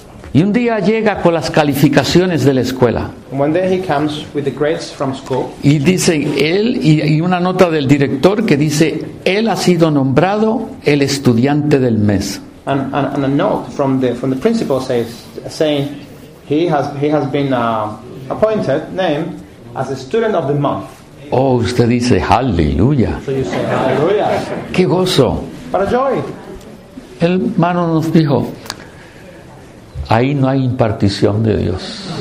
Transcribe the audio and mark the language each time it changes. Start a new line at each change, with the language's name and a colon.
Spanish: Y un día llega con las calificaciones de la escuela.
English: One day he comes with the grades from school.
Spanish: Y dice él y una nota del director que dice él ha sido nombrado el estudiante del mes.
English: And a note from the principal saying he has been appointed name as a student of the month.
Spanish: Oh, usted dice aleluya.
English: So you say hallelujah.
Spanish: Qué gozo.
English: Para joy.
Spanish: El hermano nos dijo, ahí no hay impartición de Dios.